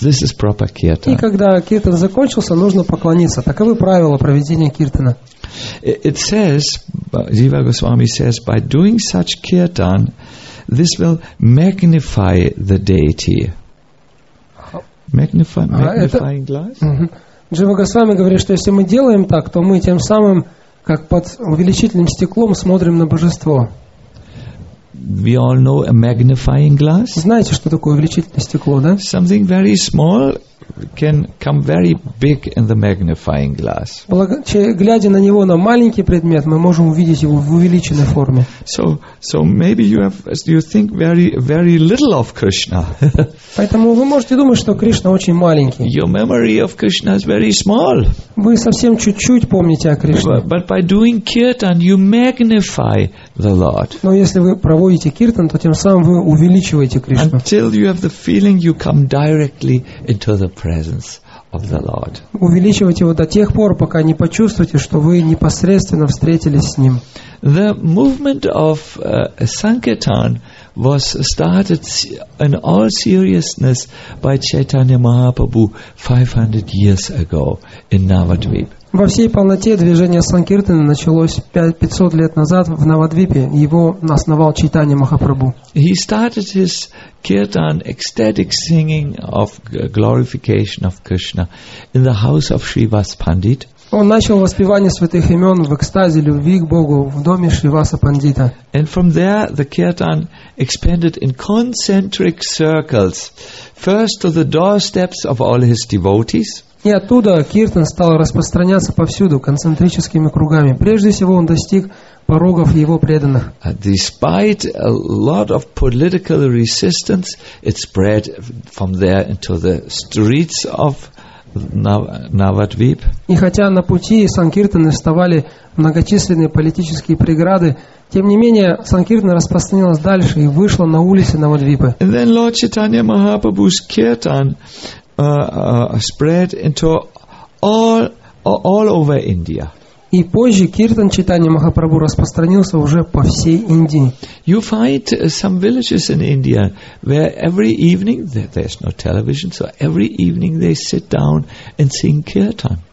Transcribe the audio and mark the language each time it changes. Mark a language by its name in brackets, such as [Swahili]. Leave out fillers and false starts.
[English] This is proper kirtan. [Russian] И когда киртан закончился, нужно поклониться. Таковы правила проведения киртана. [English] It says, Jiva Goswami says, by doing such kirtan, this will magnify the deity. Magnifying glass? [Russian] Джива Госвами говорит, что если мы делаем так, то мы тем самым, как под увеличительным стеклом, смотрим на божество. [English] We all know a magnifying glass. [Russian] Знаете, что такое увеличительное стекло, да? [English] Something very small can come very big in the magnifying glass. [Russian] Глядя на него, на маленький предмет, мы можем увидеть его в увеличенной форме. [English] So maybe you think very, very little of Krishna. [Russian] Поэтому вы можете думать, что Кришна очень маленький. [English] Your memory of Krishna is very small. [Russian] Вы совсем чуть-чуть помните о Кришне. [English] But by doing kirtan, you magnify the Lord. [Russian] Но если вы проводите киртан, то тем самым вы увеличиваете Кришну. [English] Until you have the feeling you come directly into the presence of the Lord. [Russian] Увеличивать его до тех пор, пока не почувствуете, что вы непосредственно встретились с ним. [English] The movement of Sankirtan was started in all seriousness by Chaitanya Mahaprabhu 500 years ago in Navadvip. [Russian] Во всей полноте движение Санкиртана началось 500 лет назад в Навадвипе. Его основал Чайтанья Махапрабху. [English] He started his kirtan, ecstatic singing of glorification of Krishna in the house of Shrivas Pandit. [Russian] Он начал воспевание святых имен в экстазе любви к Богу в доме Шриваса Пандита. [English] And from there the kirtan expanded in concentric circles, first to the doorsteps of all his devotees. [Russian] И оттуда киртан стал распространяться повсюду концентрическими кругами. Прежде всего он достиг порогов его преданных. [English] Despite a lot of political resistance, it spread from there into the streets of Navadvip. [Russian] И хотя на пути Санкиртаны вставали многочисленные политические преграды, тем не менее Санкиртана распространилась дальше и вышла на улицы Навадвипы. [English] And then Lord Chaitanya Mahaprabhu's kirtan spread into all over India. [Russian] И позже киртан Чайтанья Махапрабху распространился уже по всей Индии. [English] You find some villages in India where every evening there's no television, so every evening they sit down and sing kirtan.